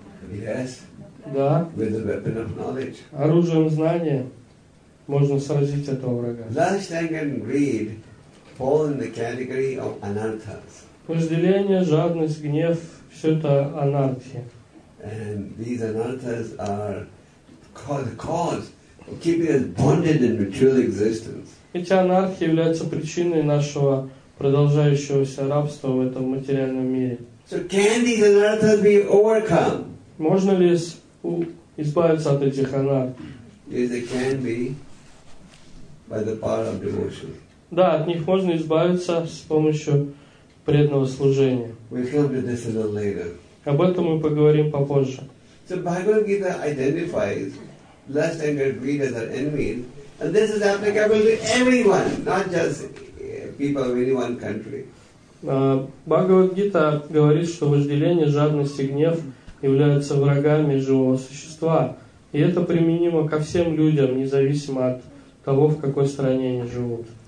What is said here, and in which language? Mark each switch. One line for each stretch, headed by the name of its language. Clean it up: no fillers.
English: Yes.
Russian: Да.
English: With the weapon of knowledge.
Russian: Оружием знания можно сразить этого врага.
English: Lust, anger, and greed fall in the category of anarthas.
Russian: Вожделение, жадность, гнев – все это анархи.
English: And these anarthas are the cause of keeping us bonded in material existence.
Russian: Эти анархи являются причиной нашего продолжающегося рабства в этом материальном мире.
English: So can these anarthas be overcome?
Russian: Можно ли избавиться от этих анархи?
English: Yes, they can be by the power of devotion.
Russian: Да, от них можно избавиться с помощью преданного служения.
English: We'll come to this a little later.
Russian: Об этом мы поговорим попозже.
English: So Bhagavad Gita identifies lust, anger, greed as our enemies, and this is applicable to everyone, not just people of any one country.
Russian: Bhagavad Gita говорит, что вожделение, жадность и гнев являются врагами живого существа, и это применимо ко всем людям, независимо от того, в какой стране они живут.